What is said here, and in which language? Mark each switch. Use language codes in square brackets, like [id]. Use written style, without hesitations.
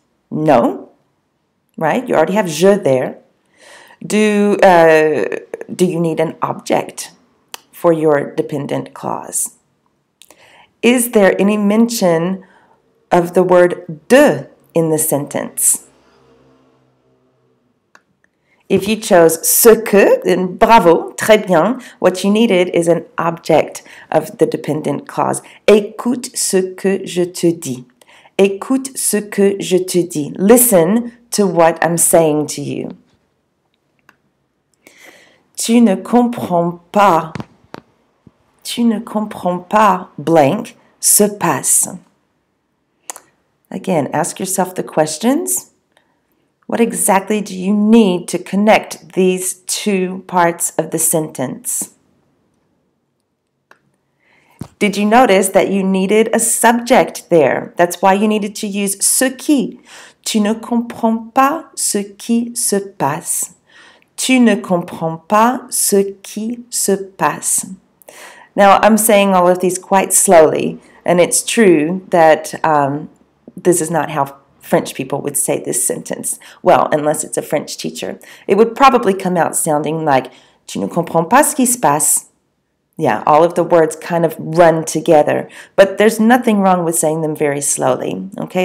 [en] No, right? You already have je there. Do you need an object for your dependent clause? Is there any mention of the word de in the sentence? If you chose ce que, then bravo, [fr] très bien. [en] What you needed is an object of the dependent clause. [fr] Écoute ce que je te dis. Écoute ce que je te dis. [en] Listen to what I'm saying to you. [fr] Tu ne comprends pas. Tu ne comprends pas, blank, se passe. [en] Again, ask yourself the questions. What exactly do you need to connect these two parts of the sentence? Did you notice that you needed a subject there? That's why you needed to use ce qui. [fr] Tu ne comprends pas ce qui se passe. Tu ne comprends pas ce qui se passe. [en] Now, I'm saying all of these quite slowly, and it's true that this is not how French people would say this sentence. Well, unless it's a French teacher. It would probably come out sounding like, [fr] tu ne comprends pas ce qui se passe. [en] Yeah, all of the words kind of run together. But there's nothing wrong with saying them very slowly, okay?